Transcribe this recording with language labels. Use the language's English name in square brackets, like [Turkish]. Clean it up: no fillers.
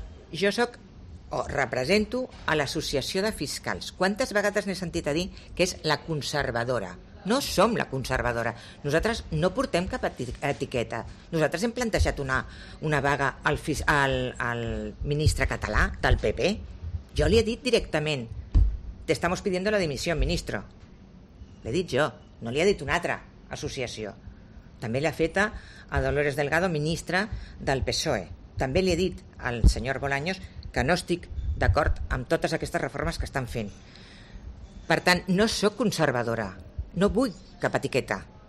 [Catalan] Jo sóc o represento a l'Associació de Fiscals. Quantes vegades n'he sentit a dir que és la conservadora? No som la conservadora. Nosaltres no portem cap etiqueta. Nosaltres hem plantejat una vaga al ministre català del PP. Jo li he dit directament: [Spanish] te estamos pidiendo la dimisión, ministro. [Catalan] L'he dit jo, no li ha dit una altra associació. També l'ha feta a Dolores Delgado, ministra del PSOE. També li he dit al senyor Bolaños que no estic d'acord amb totes aquestes reformes que estan fent. Per tant, no sóc conservadora, no vull cap etiqueta.